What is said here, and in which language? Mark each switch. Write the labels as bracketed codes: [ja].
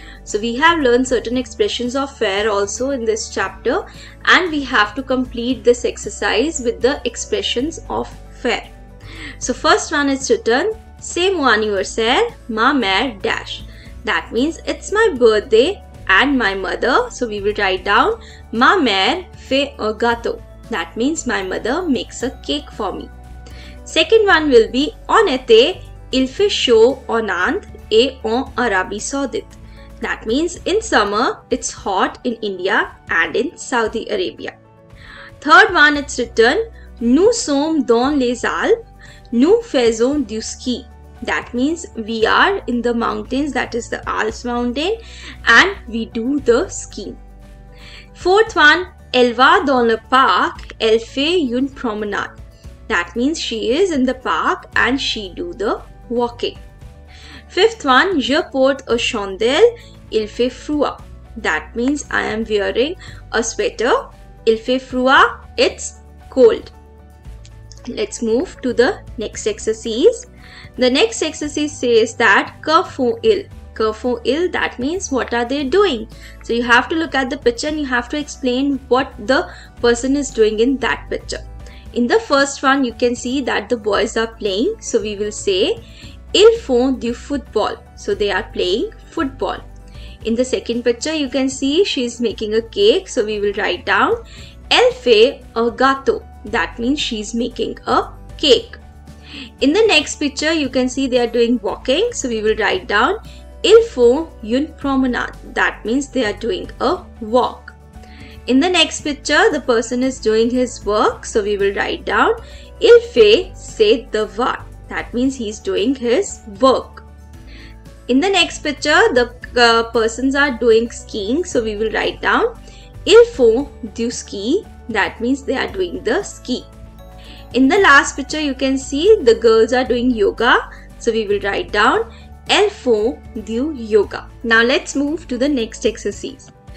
[en] So we have learned certain expressions of fair also in this chapter and we have to complete this exercise with the expressions of fair. So first one is written, [fr] c'est mon anniversaire, ma mère [en] dash. That means it's my birthday and my mother. So we will write down, [fr] ma mère fait un gâteau. [en] That means my mother makes a cake for me. Second one will be, [fr] en été, il fait chaud en Inde et en Arabie Saoudite. [en] That means in summer, it's hot in India and in Saudi Arabia. Third one, it's written, [fr] nous sommes dans les Alpes, nous faisons du ski. [en] That means we are in the mountains, that is the Alps mountain, and we do the skiing. Fourth one, [fr] elle va dans le parc, elle fait une promenade. [en] That means she is in the park and she do the walking. Fifth one, [fr] je porte un chandail, il fait froid. [en] That means I am wearing a sweater, [fr] il fait froid, [en] it's cold. Let's move to the next exercise. The next exercise says that [fr] que font-ils, [en] that means what are they doing? So you have to look at the picture and you have to explain what the person is doing in that picture. In the first one, you can see that the boys are playing. So we will say, [fr] ils font du football. [en] So they are playing football. In the second picture, you can see she is making a cake. So we will write down, [fr] elle fait un gâteau. [en] That means she is making a cake. In the next picture, you can see they are doing walking. So we will write down, [fr] il faut une promenade. [en] That means they are doing a walk. In the next picture, the person is doing his work. So we will write down, [fr] il fait ses devoirs. [en] That means he is doing his work. In the next picture, the persons are doing skiing. So we will write down, [fr] il faut du ski. [en] That means they are doing the ski. In the last picture, you can see the girls are doing yoga. So we will write down, [fr] elles font du yoga. [en] Now let's move to the next exercise.